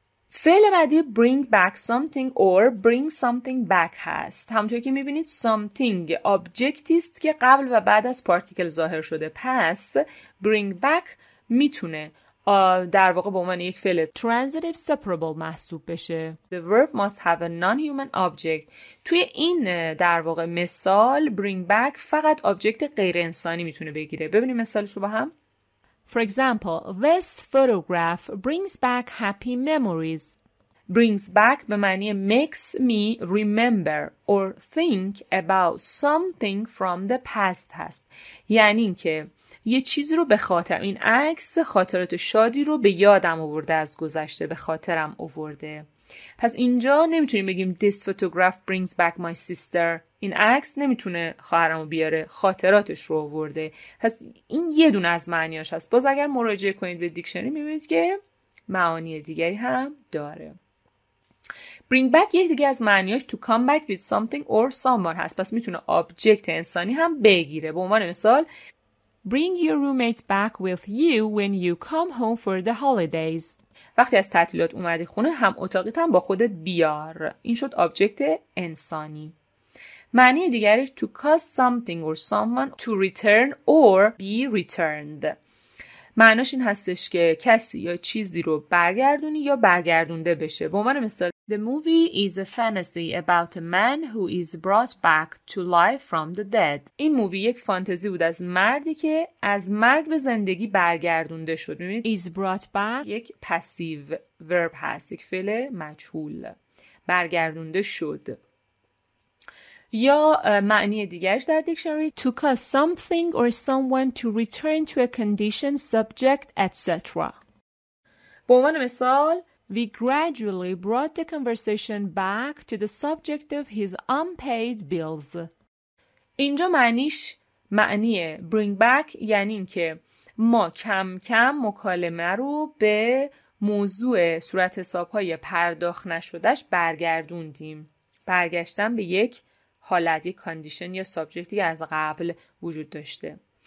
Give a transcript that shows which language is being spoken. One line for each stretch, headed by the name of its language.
Persian: فعل بعدی bring back something or bring something back هست. همونطور که میبینید something object است که قبل و بعد از particle ظاهر شده. پس bring back میتونه در واقع به عنوان یک فعل transitive separable محسوب بشه.
English: The verb must have a non-human object.
Persian: توی این در واقع مثال bring back فقط object غیر انسانی میتونه بگیره. ببینیم مثالش رو با هم.
English: For example, this photograph brings back happy memories. Brings back
Persian: به معنی
English: makes me remember or think about something from the past
Persian: هست. یعنی که یه چیز رو به خاطرم، این عکس خاطرات شادی رو به یادم آورده از گذشته، به خاطرم آورده. پس اینجا نمیتونیم بگیم
English: this photograph brings back my sister،
Persian: این عکس نمیتونه خواهرمو بیاره، خاطراتش رو آورده. پس این یه دونه از معنیاش هست. باز اگر مراجعه کنید به دیکشنری میبینید که معانی دیگری هم داره. bring back یه دیگه از معنیاش
English: to come back with something or someone
Persian: هست، پس میتونه آبجکت انسانی هم بگیره. به عنوان مثال
English: bring your roommate back with you when you come home for the holidays.
Persian: وقتی از تعطیلات اومدی خونه هم اتاقیت هم با خودت بیار. این شد آبجکت انسانی. معنی دیگرش
English: to cause something or someone to return or be returned.
Persian: معناش این هستش که کسی یا چیزی رو برگردونی یا برگردونده بشه. به عنوان مثال
English: the movie is a fantasy about a man who is brought back to life from the dead.
Persian: این مووی یک فانتزی بود از مردی که از مرگ به زندگی برگردونده شد. می‌بینید
English: is brought back
Persian: یک پسیو ورب هست، یک فعل مجهول، برگردونده شد. یا معنی دیگرش در دیکشنری
English: to cause something or someone to return to a condition subject etc.
Persian: به عنوان مثال
English: we gradually brought the conversation back to the subject of his unpaid bills.
Persian: اینجا معنیش معنی bring back یعنی که ما کم کم مکالمه رو به موضوع صورت حساب‌های پرداخت نشدهش برگردوندیم، برگشتن به یک حالت، یک کاندیشن یا سابجکتی که از قبل وجود داشته.